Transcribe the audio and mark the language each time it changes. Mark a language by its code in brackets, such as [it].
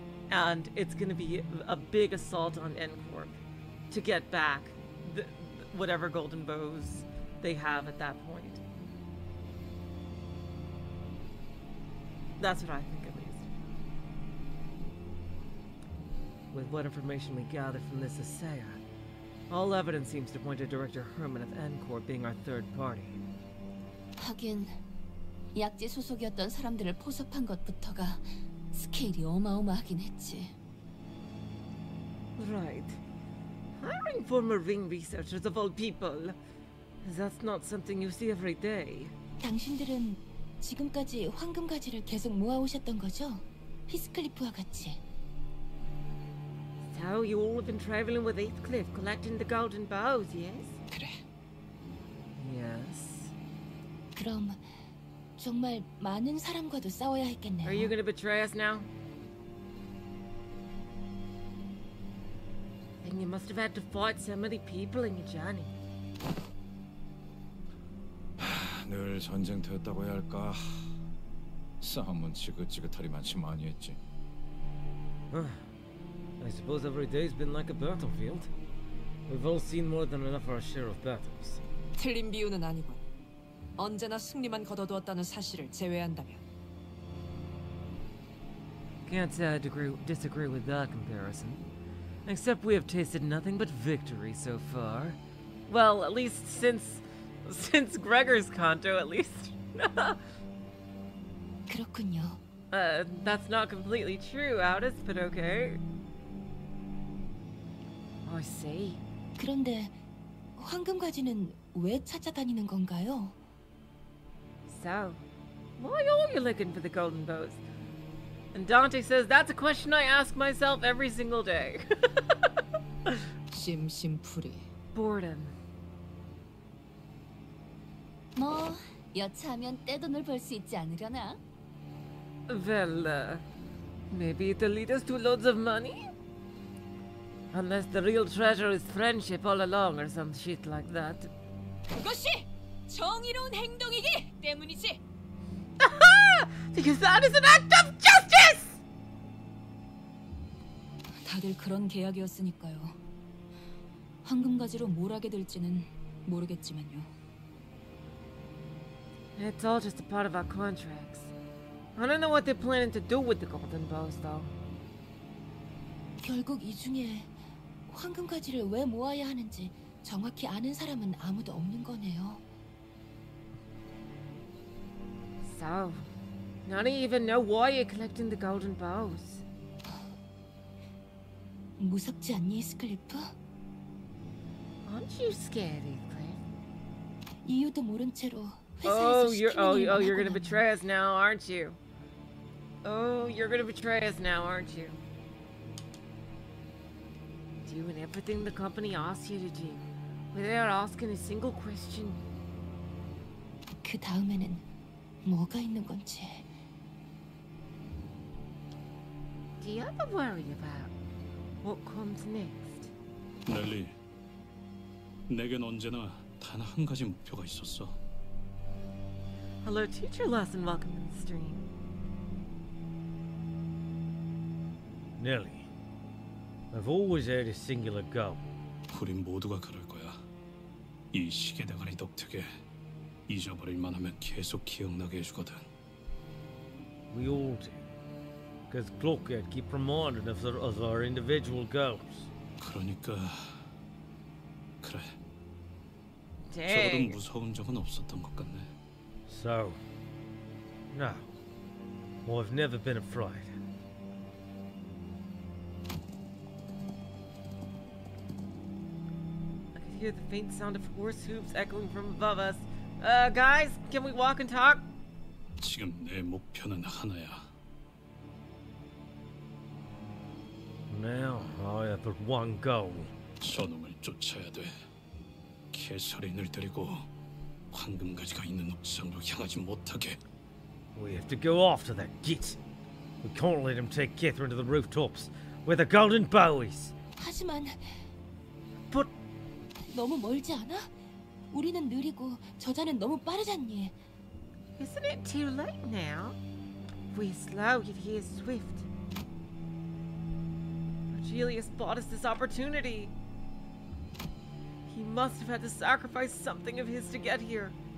[en] And it's going to be a big assault on N-Corp to get back the, whatever golden bows they have at that point. That's what I think, at least. With what information we gather from this assayer, all evidence seems to point to Director Herman of N-Corp being our third party. [ko] 하긴, 약지 소속이었던 사람들을 포섭한 것부터가 스케일이 어마어마하긴 했지. [en] Right. Hiring former Ring researchers of all people. That's not something you see every day. [ko] 당신들은 지금까지 황금 가지를 계속 모아오셨던 거죠? 히스클리프와 같이. [en] So you all have been traveling with Heathcliff, collecting the golden boughs, yes? [ko] 그래. [en] Yes. [ko] 그럼 정말 많은 사람과도 싸워야 했겠네요. [en] Are you going to betray us now? Then you must have had to fight so many people in your journey. [ko] 늘 전쟁터였다고 해야 할까? 싸움은 지긋지긋하리만치 많이 했지. [en] I suppose every day's been like a battlefield. We've all seen more than enough our share of battles. [ko] 틀린 비유는 아니군. 언제나 승리만 거둬두었다는 사실을 제외한다면. [en] Can't say I disagree with that comparison. Except we have tasted nothing but victory so far. Well, at least since Gregor's Kanto, at least. [ko] 그렇군요. [en] That's not completely true, Audis, but okay. I see. [ko] 그런데 황금 가지는 왜 찾아다니는 건가요? [en] So, why are you looking for the golden bows? And Dante says that's a question I ask myself every single day. [ko] 심심풀이. [en] Boredom. [ko] 뭐 여차하면 떼돈을 벌 수 있지 않으려나? [en] Well, maybe it'll lead us to loads of money. Unless the real treasure is friendship all along or some shit like that. [ko] 그것이 정의로운 행동이기 때문이지. [en] Because that is an act of justice. [ko] 다들 그런 계약이었으니까요. 황금 가지로 뭘 하게 될지는 모르겠지만요. [en] It's all just a part of our contracts. I don't know what they're planning to do with the golden bows, though. [ko] 결국 이 중에 황금 가지를 왜 모아야 하는지 정확히 아는 사람은 아무도 없는 거네요. [en] So, none even know why you're collecting the golden bows. [ko] 무섭지 않니, 스클리프? [en] Aren't you scared, Heathcliff? [ko] 이유도 모른 채로 회사에서 시키는 일을 하거나. [en] Oh, you're gonna betray us now, aren't you? Oh, you're gonna betray us now, aren't you? Doing everything the company asks you to do, without asking a single question. [ko] 그 다음에는 뭐가 있는 건지. [en] Do you ever worry about what comes next? [ko] 넬리, 내겐 언제나 단 한 가지 목표가 있었어. [en] Hello, teacher lesson. Welcome to the stream. 넬리. I've always had a singular goal. [ko] 우린 모두가 그럴 거야. 이 시계대가리 독특해. 잊어버릴 만하면 계속 기억나게 해주거든. [en] We all do. Because clockhead keep reminded of our individual goals. [ko] 그러니까... 그래. [en] Dang. [ko] 적어도 무서운 적은 없었던 것 같네. [en] So... No. Well, I've never been afraid. Hear the faint sound of horse hooves echoing from above us. Guys, can we walk and talk? [ko] 지금 내 목표는 하나야. [en] Now I have but one goal. [ko] 저놈을 쫓아야 돼. 캐서린을 데리고 황금 가지가 있는 옥상으로 향하지 못하게. [en] We have to go after that git. We can't let him take Catherine to the rooftops where the golden bow is. [ko] 하지만 [en] But [ko] 너무 멀지 않아? 우리는 느리고 저자는 너무 빠르잖니. [en] Isn't it too late now? We slow, yet he is swift. Julius bought us this opportunity. He must have had to sacrifice something of his to get here.